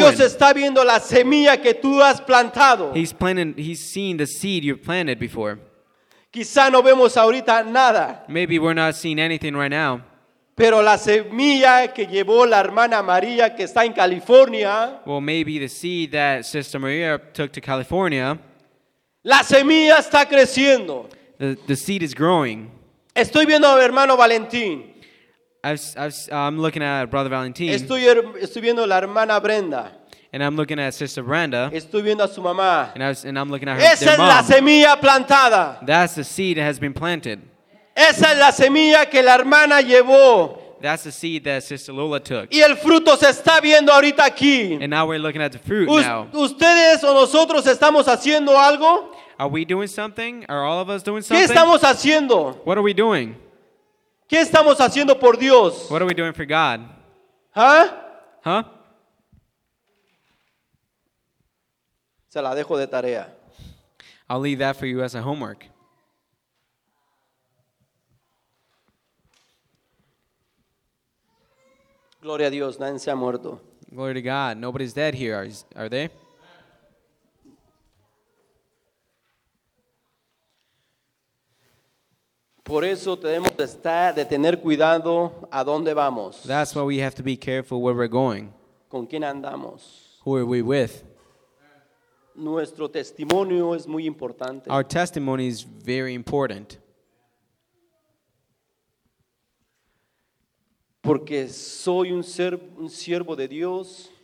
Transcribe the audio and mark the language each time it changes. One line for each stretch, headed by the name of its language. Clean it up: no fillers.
English: doing.
Spanish: Dios está viendo la semilla que tú has plantado.
English: He's planting. He's seeing the seed you've planted before.
Spanish: Quizá no vemos ahorita nada.
English: Maybe we're not seeing anything right now.
Spanish: Pero la semilla que llevó la hermana María que está en California.
English: Well, maybe the seed that Sister Maria took to California.
Spanish: La semilla está creciendo.
English: The seed is growing.
Spanish: Estoy viendo a hermano Valentín.
English: I'm looking at Brother Valentín.
Spanish: Estoy viendo la hermana Brenda.
English: And I'm looking at Sister Brenda.
Spanish: Estoy viendo a su mamá.
English: And I'm looking at her mom.
Spanish: Esa es la semilla plantada.
English: That's the seed that has been planted.
Spanish: Esa es la semilla que la hermana llevó.
English: That's the seed that Sister Lola took.
Spanish: Y el fruto se está viendo ahorita aquí.
English: And now we're looking at the fruit now.
Spanish: Ustedes o nosotros estamos haciendo algo.
English: Are we doing something? Are all of us doing something?
Spanish: ¿Qué estamos haciendo?
English: What are we doing?
Spanish: ¿Qué estamos haciendo por Dios?
English: What are we doing for God? Huh? Huh?
Spanish: Se la dejo de tarea.
English: I'll leave that for you as a homework.
Spanish: Gloria a Dios, nadie se ha muerto.
English: Glory to God. Nobody's dead here, are they?
Spanish: Por eso tenemos que estar de tener cuidado a dónde vamos.
English: That's why we have to be careful where we're going.
Spanish: ¿Con quién andamos?
English: Who are we with?
Spanish: Nuestro testimonio es muy importante.
English: Our testimony is very important.
Spanish: Porque soy un siervo de Dios.